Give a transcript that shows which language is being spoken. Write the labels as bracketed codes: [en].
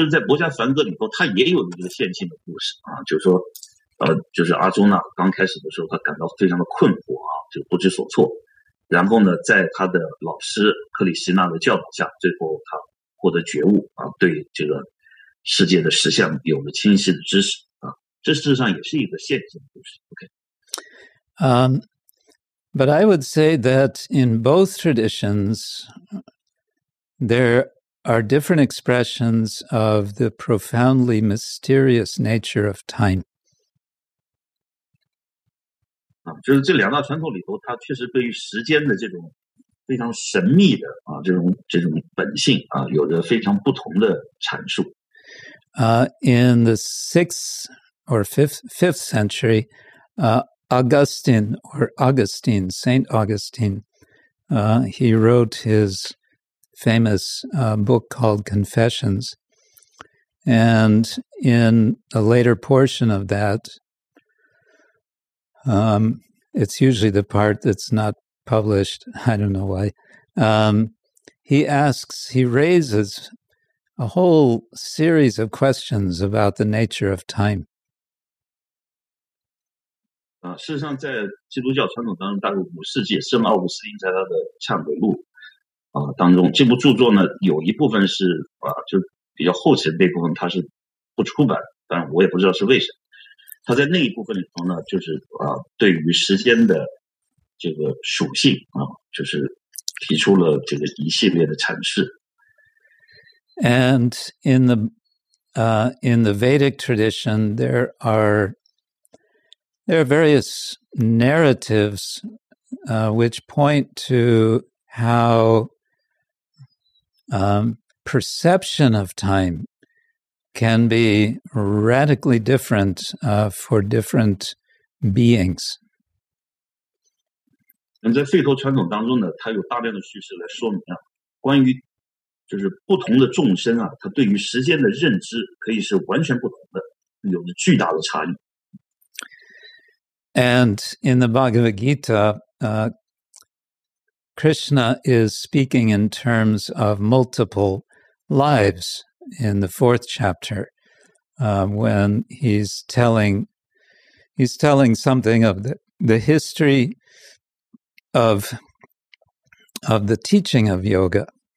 [zh] 就是在《薄伽梵歌》里头，它也有一个线性的故事啊，就是说，就是阿朱纳刚开始的时候，他感到非常的困惑啊，就不知所措。然后呢，在他的老师克里希那的教导下，最后他获得觉悟啊，对这个世界的实相有了清晰的知识啊。这事实上也是一个线性的故事。 [en] OK。 But I would say that in both traditions, there are different expressions of the profoundly mysterious nature of time. [zh] 啊，就是这两大传统里头，它确实对于时间的这种非常神秘的啊，这种本性啊，有着非常不同的阐述。 [en] In the fifth century, Augustine, Saint Augustine, he wrote his famous book called Confessions. And in a later portion of that, it's usually the part that's not published, I don't know why, he raises a whole series of questions about the nature of time. [zh] 啊，事实上，在基督教传统当中，大概五世纪，圣奥古斯丁在他的《忏悔录》当中，这部著作呢，有一部分是就比较后期的那部分，它是不出版，但我也不知道是为什么。他在那一部分里头呢，就是对于时间的这个属性就是提出了这个一系列的阐释。 [en] And in the Vedic tradition, there are various narratives which point to how perception of time can be radically different for different beings. [zh] 在吠陀传统当中呢，它有大量的叙事来说明啊，关于就是不同的众生啊，他对于时间的认知可以是完全不同的，有着巨大的差异。 [en] And in the Bhagavad Gita, Krishna is speaking in terms of multiple lives in the fourth chapter, when he's telling something of the history of the teaching of yoga.